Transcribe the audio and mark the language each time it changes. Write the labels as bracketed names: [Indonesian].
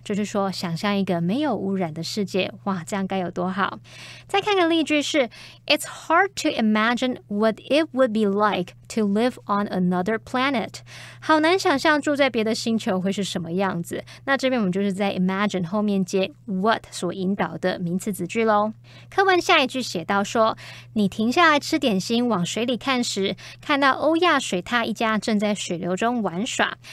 [Chinese] 就是说想象一个没有污染的世界。哇，这样该有多好。再看个例句是 [English] It's hard to imagine what it would be like to live on another planet. [Chinese] 好难想象住在别的星球会是什么样子。那这边我们就是在 imagine 后面接 what 所引导的名词子句咯。课文下一句写到说你停下来吃点心往水里看时看到欧亚水獭一家正在水流中玩水。